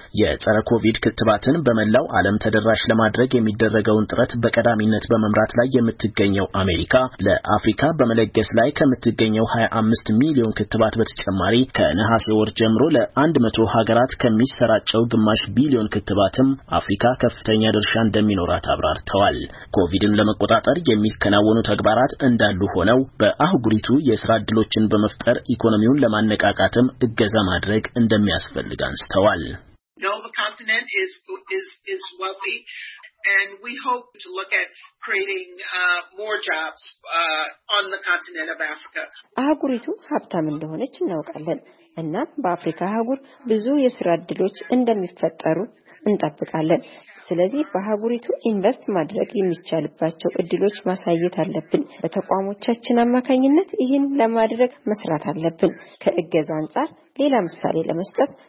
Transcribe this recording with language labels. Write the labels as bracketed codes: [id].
[am] የጸረ ኮቪድ ክትባትን በመላው ዓለም ተደራሽ ለማድረግ የሚደረገውን ጥረት በቀዳሚነት በመምራት ላይ የምትገኘው አሜሪካ ለአፍሪካ በመለገስ ላይ ከምትገኘው 25 ሚሊዮን ክትባት በተጨማሪ ከነሐሴ ወር ጀምሮ ለ100 ሀገራት ከሚሰራጨው ግማሽ ቢሊዮን ክትባትም አፍሪካ ከፍተኛ ድርሻ እንደሚኖራት አብራርተዋል። ኮቪድን ለመቆጣጠር የሚከናወኑ ተግባራት እንዳሉ ሆነው በአህጉሪቱ የሥራ ዕድሎችን በመፍጠር ኢኮኖሚውን ለማነቃቃትም እገዛ ማድረግ እንደሚያስፈልግ አንስተዋል። [en] And we hope to look at creating more jobs on the continent of Africa. [am] አህጉሪቱ ሀብታም እንደሆነች እናውቃለን እና በአፍሪካ አህጉር ብዙ የሥራ ዕድሎች እንደሚፈጠሩ እንጠብቃለን። ስለዚህ በአህጉሪቱ ኢንቨስት ማድረግ የሚቻልባቸው ዕድሎች ማሳየት አለብን። በተቋሞቻችን አማካኝነት ይህን ለማድረግ መስራት አለብን። ከእገዛ አንጻር ሌላ ምሳሌ ለመስጠት